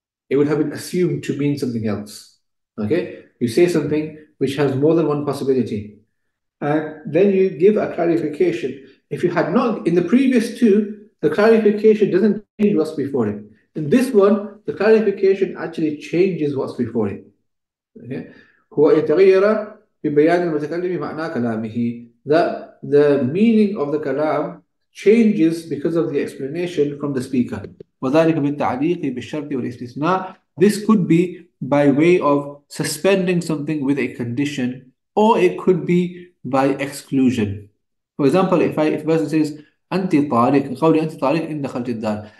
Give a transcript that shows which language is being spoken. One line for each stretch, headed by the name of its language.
English: It would have been assumed to mean something else. Okay? You say something which has more than one possibility. And then you give a clarification. If you had not, in the previous two, the clarification doesn't change what's before it. In this one, the clarification actually changes what's before it. Okay?
Arabic: هو يتغير ببيان المتكلم معنى كلامه.
English: That the meaning of the kalam changes because of the explanation from the speaker.
Arabic: وذلك بالتعليق بالشرط والاستثناء.
English: This could be by way of suspending something with a condition, or it could be by exclusion. For example, if a person says,
Arabic: أنت طالق, قولي أنت طالق إن دخلت الدار.